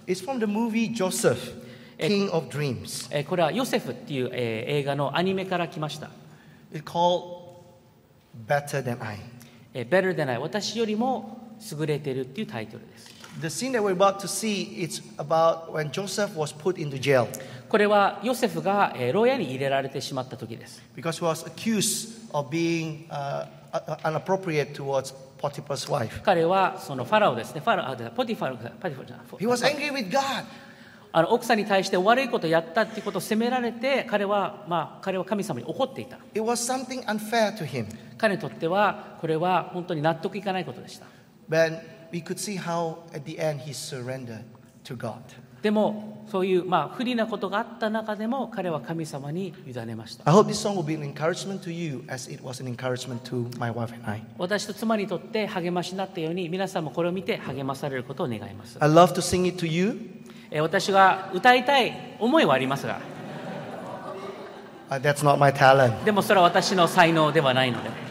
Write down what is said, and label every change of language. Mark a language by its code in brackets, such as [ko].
[en] It's from the movie Joseph, King of Dreams. [ja] これはヨセフっていう映画のアニメから来ました。 [en] It's called Better Than I. Better Than I. [ja] 私よりも優れているっていうタイトルです。 [en] The scene that we're about to see is about when Joseph was put into jail. [ja] これはヨセフが牢屋に入れられてしまった時です。 [en] Because he was accused of being inappropriate towards Potiphar's wife. [ja] 彼はそのファラオですね。ポティファルじゃない。 [en] He was angry with God. [ja] 奥さんに対して悪いことをやったっていうことを責められて、彼は神様に怒っていた。 [en] It was something unfair to him. [ja] 彼にとってはこれは本当に納得いかないことでした。 [en] We could see how at the end he surrendered to God. [ja] でもそういう、まあ、不利なことがあった中でも彼は神様に委ねました。 [en] I hope this song will be an encouragement to you as it was an encouragement to my wife and I. [ja] 私と妻にとって励ましになったように皆さんもこれを見て励まされることを願います。 [en] I love to sing it to you. [ja] 私が歌いたい思いはありますが。 [en] That's not my talent. [ja] でもそれは私の才能ではないので。